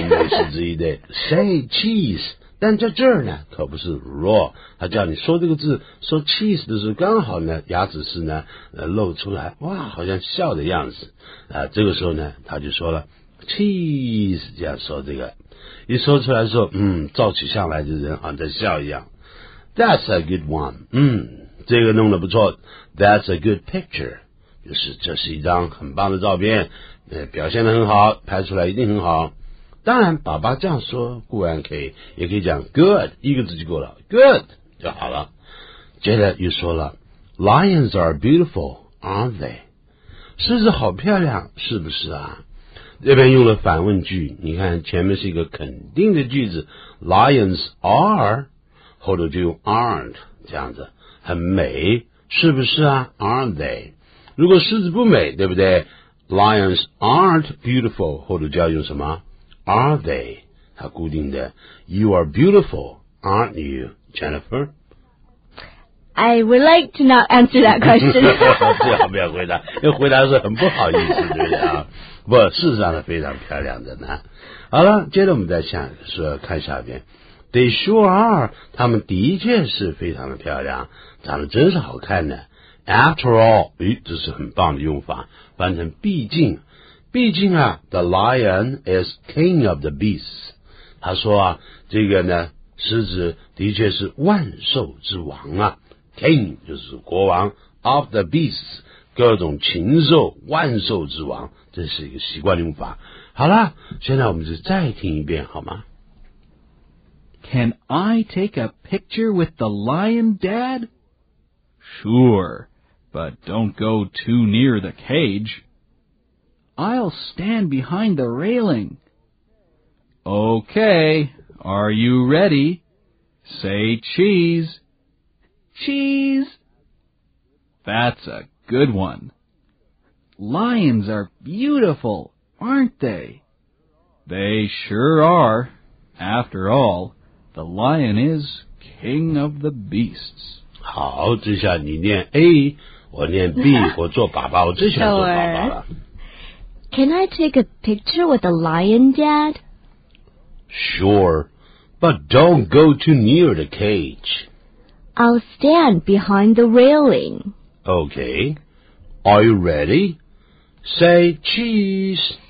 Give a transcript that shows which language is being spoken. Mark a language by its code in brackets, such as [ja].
[zh] 美食之一的 say cheese， 但在这儿呢，可不是 raw， 他叫你说这个字，说 cheese 的时候，刚好呢，牙齿是呢露出来，哇，好像笑的样子啊。这个时候呢，他就说了 cheese， 这样说这个，一说出来说，照起相来的人好像在笑一样。 [en] That's a good one， [zh] 这个弄得不错。 [en] That's a good picture， [zh] 就是这是一张很棒的照片，表现得很好，拍出来一定很好。当然爸爸这样说固然可以，也可以讲 good， 一个字就够了， good 就好了。接着又说了 [en] Lions are beautiful aren't they， [zh] 狮子好漂亮是不是啊。这边用了反问句，你看前面是一个肯定的句子， [en] Lions are， [zh] 后头就用 aren't， 这样子很美，是不是啊？ [en] Aren't they? [zh] 如果狮子不美，对不对？ [en] Lions aren't beautiful, [zh] 或者就要用什么？ [en] Are they? 它固定的。 You are beautiful, aren't you, Jennifer? I would like to not answer that question. [zh] 不要不要回答，因为回答是很不好意思，对不对啊？不，事实上是非常漂亮的呢。好了，接着我们再想说看下边 ， [en] They sure are， [zh] 他们的确是非常的漂亮，长得真是好看的。 [en] After all， [zh] 咦，这是很棒的用法，翻成毕竟，毕竟啊 ， [en] The lion is king of the beasts。 [zh] 他说啊，这个呢，狮子的确是万兽之王啊。 King 就是国王 [en] of the beasts [zh] 各种禽兽万兽之王，这是一个习惯用法。好啦，现在我们就再听一遍好吗？ [en] Can I take a picture with the lion, Dad? Sure, but don't go too near the cage. I'll stand behind the railing. Okay, are you ready? Say cheese. Cheese! That's a good one. Lions are beautiful, aren't they? They sure are. After all, the lion is king of the beasts. [zh] 好，这下你念 A, 我念 B, 我做爸爸，我最喜欢做爸爸了。 [en] Can I take a picture with a lion, Dad? Sure, but don't go too near the cage. I'll stand behind the railing. Okay. Are you ready? Say cheese.